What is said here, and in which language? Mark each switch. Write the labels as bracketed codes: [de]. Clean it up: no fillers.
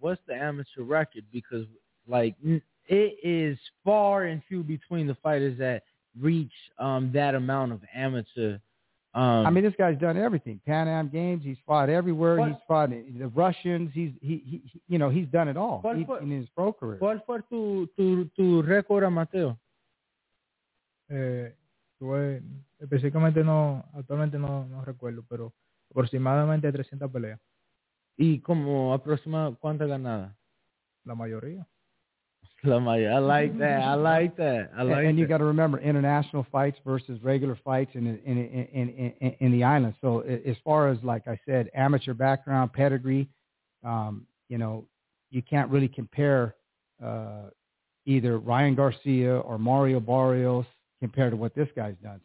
[en] What's the amateur record? Because, like, it is far and few between the fighters that reach that amount of amateur. I mean, this guy's done everything. Pan Am Games, he's fought everywhere. But, he's fought the Russians. He's done it all in his pro career. [es] ¿Cuál fue tu récord, Mateo? Específicamente no, actualmente no recuerdo, pero aproximadamente 300 peleas. ¿Y como aproximadamente cuántas ganadas? La mayoría. [en] I like that. And you got to remember, international fights versus regular fights in the island. So as far as, like I said, amateur background, pedigree, you can't really compare either Ryan Garcia or Mario Barrios compared to what this guy's done.